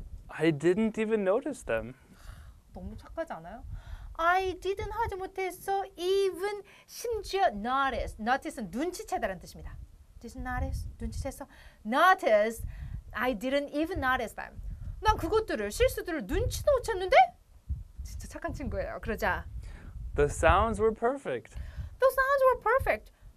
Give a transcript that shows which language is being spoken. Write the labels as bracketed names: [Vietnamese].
[English] I didn't even notice them. [Korean] 너무 착하지 않아요? [English] I didn't [Korean] 하지 못했어. [English] Even [Korean] 심지어 [English] notice. [Korean] Notice는 눈치채다라는 뜻입니다. [English] Didn't notice. [Korean] 눈치채서. [English] Notice. I didn't even notice them. [Korean] 난 그것들을 실수들을 눈치도 못 챘는데? 진짜 착한 친구예요. 그러자. [English] The sounds were perfect. The sounds were perfect.